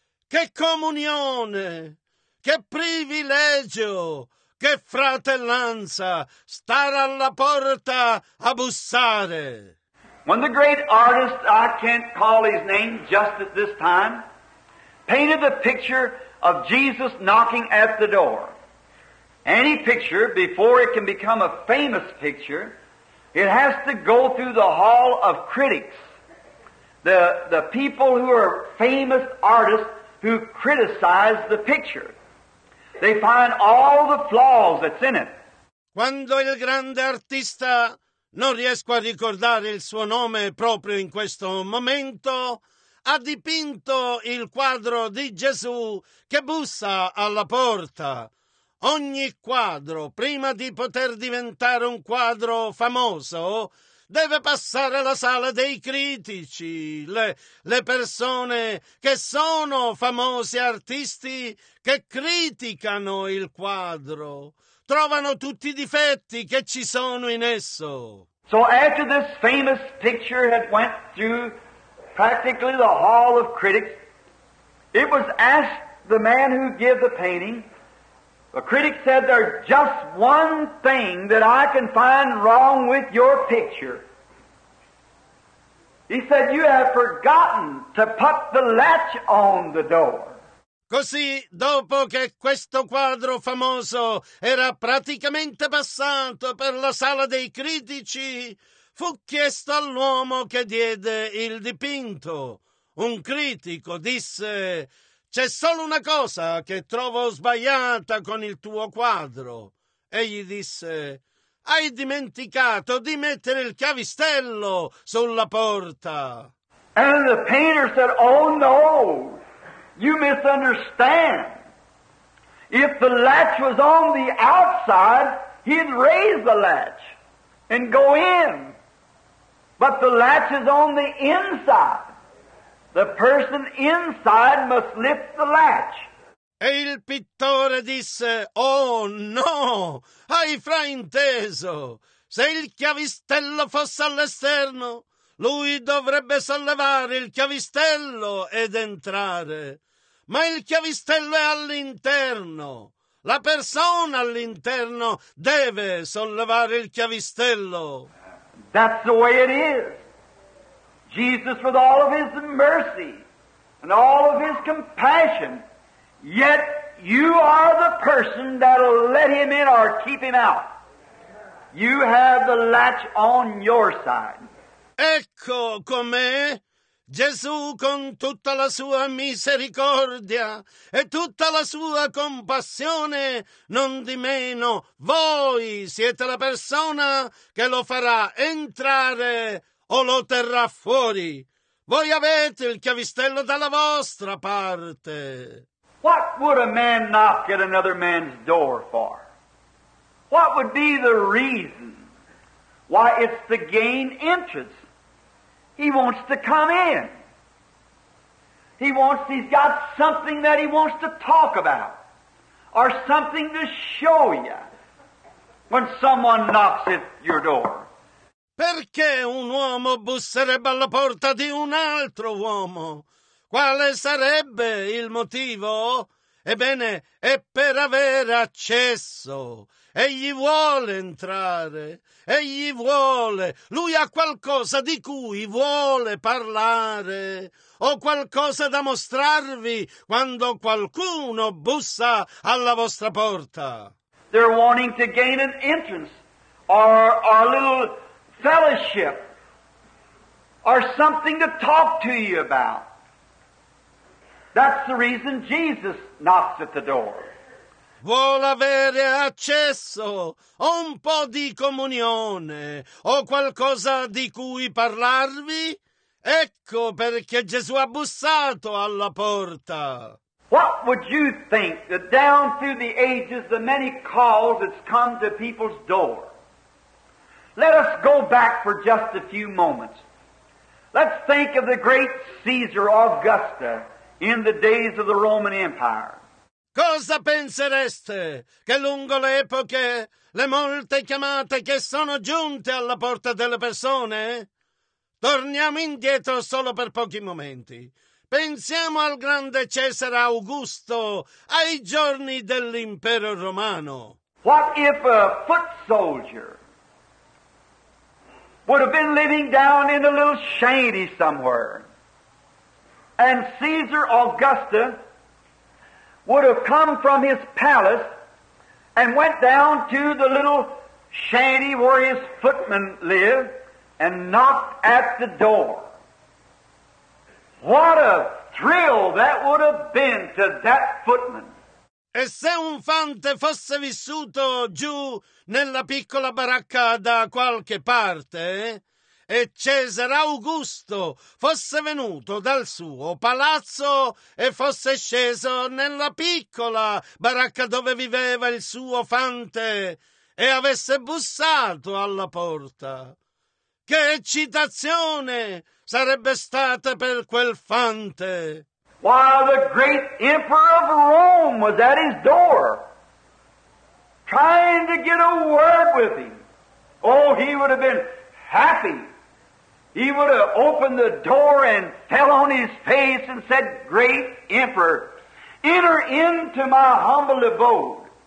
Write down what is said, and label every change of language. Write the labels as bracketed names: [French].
[Italian] Che comunione, che privilegio, che fratellanza, stare alla porta a bussare. [English] When the great artist, I can't call his name just at this time, painted the picture of Jesus knocking at the door. Any picture, before it can become a famous picture, it has to go through the hall of critics. The people who are famous artists who criticize the picture. They find all the flaws that's in it. [Italian] Quando il grande artista, non riesco a ricordare il suo nome proprio in questo momento, ha dipinto il quadro di Gesù che bussa alla porta. Ogni quadro, prima di poter diventare un quadro famoso, deve passare alla sala dei critici, le persone che sono famosi artisti che criticano il quadro, trovano tutti i difetti che ci sono in esso. [English] So after this famous picture had went through practically the hall of critics, it was asked the man who gave the painting. The critic said, there's just one thing that I can find wrong with your picture. He said, you have forgotten to put the latch on the door. [Italian] Così, dopo che questo quadro famoso era praticamente passato per la sala dei critici, fu chiesto all'uomo che diede il dipinto. Un critico disse, c'è solo una cosa che trovo sbagliata con il tuo quadro. Egli disse, hai dimenticato di mettere il chiavistello sulla porta. [English] And the painter said, oh no, you misunderstand. If the latch was on the outside, he'd raise the latch and go in. But the latch is on the inside. The person inside must lift the latch. [Italian] E il pittore disse, oh no, hai frainteso. Se il chiavistello fosse all'esterno, lui dovrebbe sollevare il chiavistello ed entrare. Ma il chiavistello è all'interno. La persona all'interno deve sollevare il chiavistello. [English] That's the way it is. Jesus, with all of his mercy and all of his compassion, yet you are the person that'll let him in or keep him out. You have the latch on your side. [Italian] Ecco com'è. Gesù, con tutta la sua misericordia e tutta la sua compassione, non di meno, voi siete la persona che lo farà entrare o lo terrà fuori. Voi avete il chiavistello dalla vostra parte. [English] What would a man knock at another man's door for? What would be the reason why it's to gain entrance? He wants to come in. He wants, he's got something that he wants to talk about or something to show you when someone knocks at your door. [Italian] Perché un uomo busserebbe alla porta di un altro uomo? Quale sarebbe il motivo? Ebbene, è per avere accesso. Egli vuole entrare. Egli vuole. Lui ha qualcosa di cui vuole parlare. Ho qualcosa da mostrarvi quando qualcuno bussa alla vostra porta. [English] They're wanting to gain an entrance or a little fellowship or something to talk to you about. That's the reason Jesus knocks at the door. [Italian] Vuole avere accesso, ho un po' di comunione, ho qualcosa di cui parlarvi? Ecco perché Gesù ha bussato alla porta. [English] What would you think that down through the ages the many calls that's come to people's door? Let us go back for just a few moments. Let's think of the great Caesar Augusta in the days of the Roman Empire. [Italian] Cosa pensereste che lungo le epoche le molte chiamate che sono giunte alla porta delle persone? Torniamo indietro solo per pochi momenti. Pensiamo al grande Cesare Augusto, ai giorni dell'Impero Romano. [English] What if a foot soldier would have been living down in a little shanty somewhere, and Caesar Augusta would have come from his palace and went down to the little shanty where his footmen lived and knocked at the door. What a thrill that would have been to that footman. [Italian] E se un fante fosse vissuto giù nella piccola baracca da qualche parte, e Cesare Augusto fosse venuto dal suo palazzo e fosse sceso nella piccola baracca dove viveva il suo fante e avesse bussato alla porta, che eccitazione sarebbe stata per quel fante! [English] While the great emperor of Rome was at his door, trying to get a word with him. Oh, he would have been happy. He would have opened the door and fell on his face and said, "Great emperor, enter into my humble abode.